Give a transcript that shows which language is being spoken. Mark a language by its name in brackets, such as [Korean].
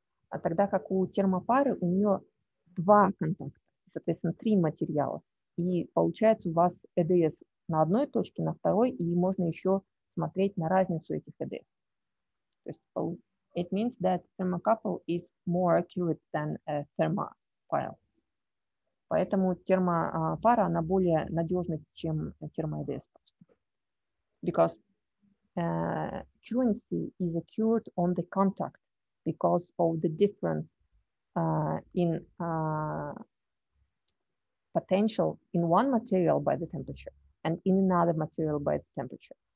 [Russian] А тогда как у термопары у нее два контакта, соответственно, три материала. И получается у вас EDS на одной точке, на второй, и можно еще смотреть на разницу этих EDS. То есть получается. [English] It means that thermocouple is more accurate than a thermopile. [Russian] Поэтому термопара, она более надежна, чем термо-ЭДС. [English] Because currency is accurate on the contact because of the difference in potential in one material by the temperature and in another material by the temperature.